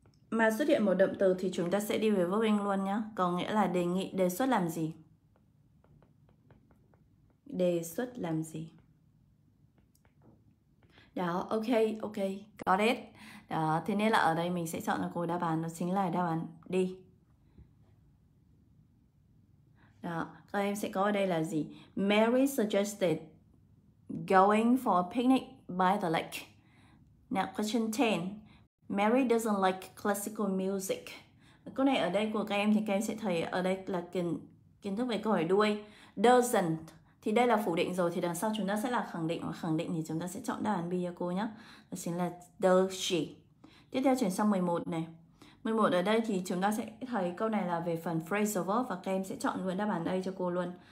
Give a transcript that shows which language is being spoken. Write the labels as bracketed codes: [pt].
[vi] Mà xuất hiện một động từ thì chúng ta sẽ đi về verb ing luôn nhé. Có nghĩa là đề nghị, đề xuất làm gì. Đề xuất làm gì. Đó, [en] ok, ok, got it. [vi] Đó, thế nên là ở đây mình sẽ chọn cho cô đáp án, đó chính là đáp án D. Đó, các em sẽ có ở đây là gì? [en] Mary suggested going for a picnic by the lake. Now question 10. Mary doesn't like classical music. [vi] Câu này ở đây của các em thì các em sẽ thấy ở đây là kiến thức về câu hỏi đuôi. Doesn't thì đây là phủ định rồi, thì đằng sau chúng ta sẽ là khẳng định. Và khẳng định thì chúng ta sẽ chọn đáp án B cho cô nhé. Đó chính là [en] does she. [vi] Tiếp theo chuyển sang 11 này. 11 ở đây thì chúng ta sẽ thấy câu này là về phần phrasal verb và các em sẽ chọn luôn đáp án đây cho cô luôn.